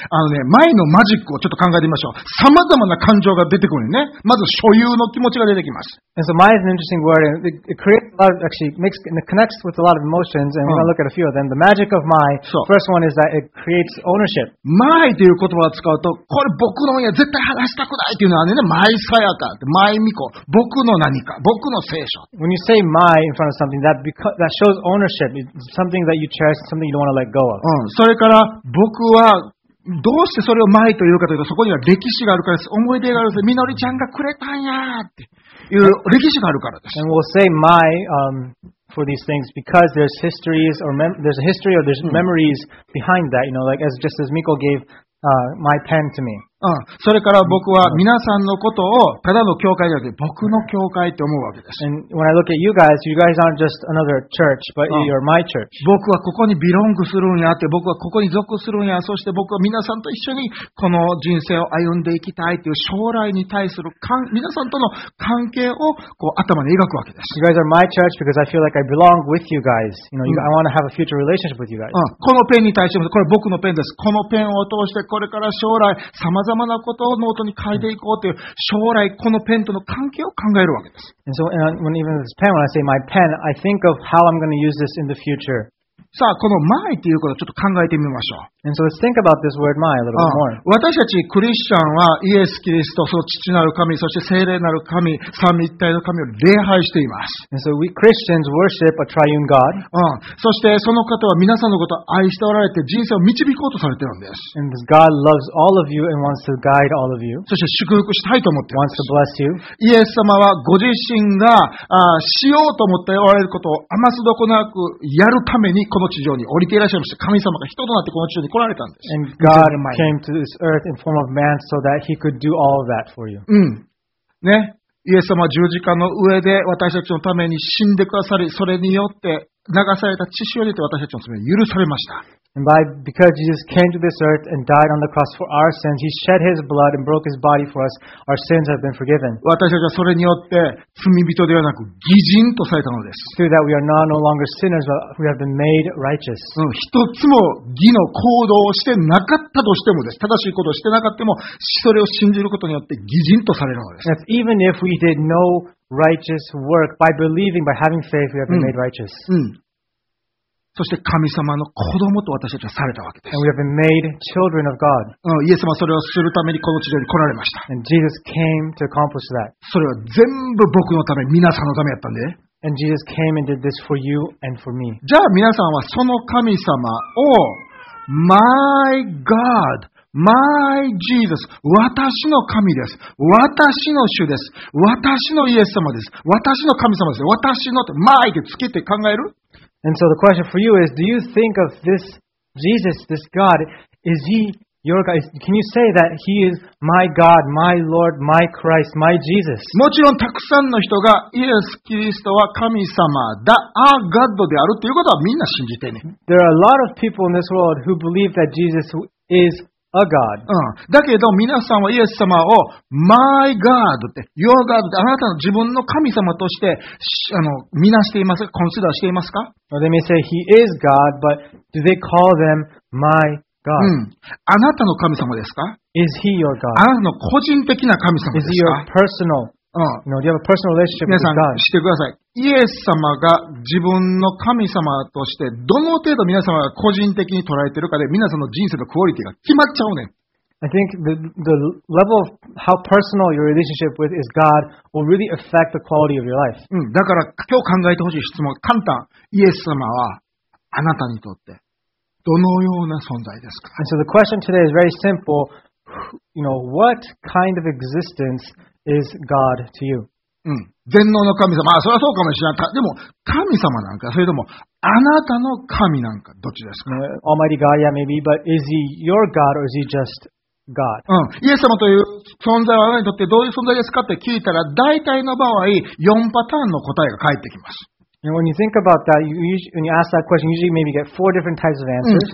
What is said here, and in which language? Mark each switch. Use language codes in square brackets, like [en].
[ja] あのね、前のマジックをちょっと考えてみましょう。様々な感情が出てくるね。まず所有の気持ちが出てきます。 [en] And so, my is an interesting word, and it creates a lot of, actually makes, and it connects with a lot of emotions, and we're gonna look at a few of them. The magic of my, first one is that it creates ownership. [ja] My という言葉を使うと、これ僕のや絶対話したくないっていうのはね、my さやか、my みこ、僕の何か、僕の聖書。 [en] When you say my in front of something, that shows ownership. It's something that you cherish, something you don't wanna let go of. [ja] それから、僕はどうしてそれを前というかというと、そこには歴史があるからです。思い出があるんです。みのりちゃんがくれたんやっていう歴史があるからです。 [en] And we'll say my, for these things because there's histories or there's a history or there's memories behind that, you know, like as just as Miko gave, my pen to me. [ja] それから僕は皆さんのことをただの教会じゃなくて僕の教会って思うわけです。 [en] And when I look at you guys aren't just another church, but you're my church. [ja] 僕はここにビロングするんやって、僕はここに属するんや、そして僕は皆さんと一緒にこの人生を歩んでいきたいという将来に対する皆さんとの関係をこう頭に描くわけです。 [en] You guys are my church because I feel like I belong with you guys. You know, I want to have a future relationship with you guys. [ja] このペンに対しても、これ僕のペンです。このペンを通してこれから将来様々なことをノートに書いていこうという将来このペンとの関係を考えるわけです。 [en] And so, when even this pen, when I say my pen, I think of how I'm going to use this in the future. [ja] さあ、この my っていうことをちょっと考えてみましょう。 [en] And so let's think about this word my a little bit more. [ja] 私たちクリスチャンはイエス・キリスト、その父なる神、そして聖霊なる神、三位一体の神を礼拝しています。 [en] And so we Christians worship a triune God. [ja] そしてその方は皆さんのことを愛しておられて人生を導こうとされているんです。 [en] And God loves all of you and wants to guide all of you. [ja] そして祝福したいと思っています。 [en] Wants to bless you. [ja] イエス様はご自身がしようと思っておられることを余すどこなくやるためにこの地上に降りていらっしゃいました。神様が人となってこの地上に来られたんです。 [en] And God came to this earth in form of man so that he could do all of that for you. [ja] ね。イエス様は十字架の上で私たちのために死んでくださり、それによって流された血潮によって私たちの罪は許されました。 [en] And by, because Jesus came to this earth and died on the cross for our sins, he shed his blood and broke his body for us, our sins have been forgiven. [ja] 私たちはそれによって罪人ではなく義人とされたのです。 [en] Through that we are now no longer sinners, but we have been made righteous. [ja] 一つも義の行動をしてなかったとしてもです。正しいことをしてなかったも、それを信じることによって義人とされるのです。 [en] And even if we did no righteous work, by believing, by having faith, we have been made righteous. [ja] そして神様の子供と私たちはされたわけです。 [en] And we have been made children of God. [ja] イエス様はそれをするためにこの地上に来られました。 [en] And Jesus came to accomplish that. [ja] それは全部僕のため、皆さんのためやったんで。 [en] And Jesus came and did this for you and for me. [ja] じゃあ皆さんはその神様を [en] My God, My Jesus, [ja] 私の神です。私の主です。私のイエス様です。私の神様です。私のと My ってつけて考える？ [en] And so the question for you is, do you think of this Jesus, this God, is he your God? Can you say that he is my God, my Lord, my Christ, my Jesus? [ja] もちろんたくさんの人がイエス・キリストは神様だ、 [en] our God [ja] であるということはみんな信じてね。 [en] There are a lot of people in this world who believe that Jesus is a God. [ja] だけど皆さんはイエス様を [en] my God [ja] って、 [en] your God [ja] って、あなたの自分の神様として、見なしていますか、 [en] consider [ja] していますか？ [en] Or they may say he is God, but do they call them my God? [ja] あなたの神様ですか？ [en] Is he your God? [ja] あなたの個人的な神様ですか？ [en] Is he your personal You know, you have a personal relationship with God. [ja] 皆さん、知ってください。イエス様が自分の神様としてどの程度皆様が個人的に捉えているかで、皆さんの人生のクオリティが決まっちゃうね。 [en] I think the level of how personal your relationship with is God will really affect the quality of your life. [ja] だから今日考えてほしい質問、簡単。イエス様はあなたにとってどのような存在ですか？ [en] And so the question today is very simple. You know, what kind of existence is God to you? [ja] 全能の神様、まあ、それはそうかもしれない。でも神様なんか、それともあなたの神なんか、どっちですか？ [en] Almighty God, yeah, maybe, but is he your God or is he just God? [ja] イエス様という存在はあなたにとってどういう存在ですかって聞いたら、大体の場合、4パターンの答えが返ってきます。 [en] And when you think about that, when you ask that question, usually maybe get four different types of answers.